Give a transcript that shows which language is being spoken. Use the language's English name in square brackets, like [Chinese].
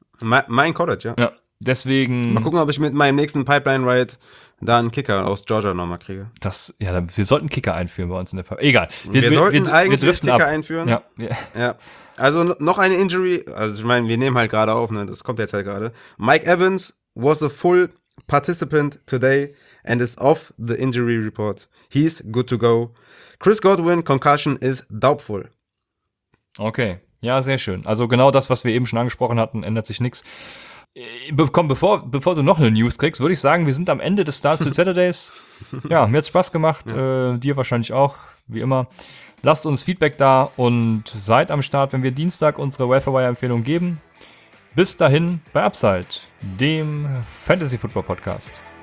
[German] Mein College, ja. Deswegen. Mal gucken, ob ich mit meinem nächsten Pipeline Ride da einen Kicker aus Georgia nochmal kriege. Wir sollten Kicker einführen bei uns in der Pipeline. Egal. Wir sollten eigentlich Kicker einführen. Ja. Also noch eine Injury. Also ich meine, wir nehmen halt gerade auf, ne? Das kommt jetzt halt gerade. [English] Mike Evans was a full participant today and is off the injury report. He's good to go. Chris Godwin, concussion is doubtful. [German] Okay, ja, sehr schön. Also genau das, was wir eben schon angesprochen hatten, ändert sich nichts. Komm, bevor du noch eine News kriegst, würde ich sagen, wir sind am Ende des Starts des Saturdays. Ja, mir hat's Spaß gemacht, dir wahrscheinlich auch, wie immer. Lasst uns Feedback da und seid am Start, wenn wir Dienstag unsere Waiver-Wire-Empfehlung geben. Bis dahin bei Upside, dem Fantasy-Football-Podcast.